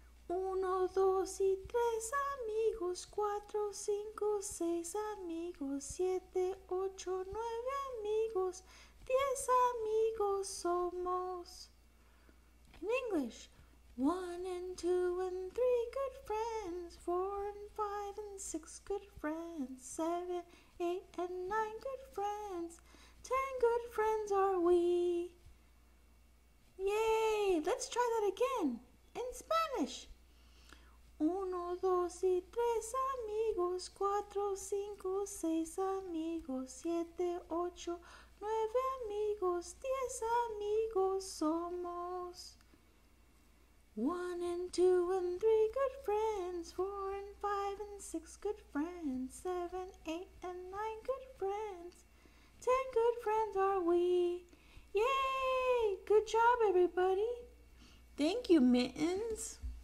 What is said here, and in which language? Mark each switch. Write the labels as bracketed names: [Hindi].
[Spanish] Uno, dos y tres amigos, cuatro, cinco, seis amigos, siete, ocho, nueve amigos, 10 amigos somos. [English] In English, one and two and three good friends, four and five and six good friends, seven, eight and nine good friends. 10 good friends are we. Yay! Let's try that again in Spanish. [Spanish] Uno, dos y tres amigos, cuatro, cinco, seis amigos, siete, ocho, nueve amigos, 10 amigos somos. [English] One and two and three good friends, four and five and six good friends, seven, eight and nine good friends. 10 good friends are we. Yay! Good job, everybody. Thank you, Mittens.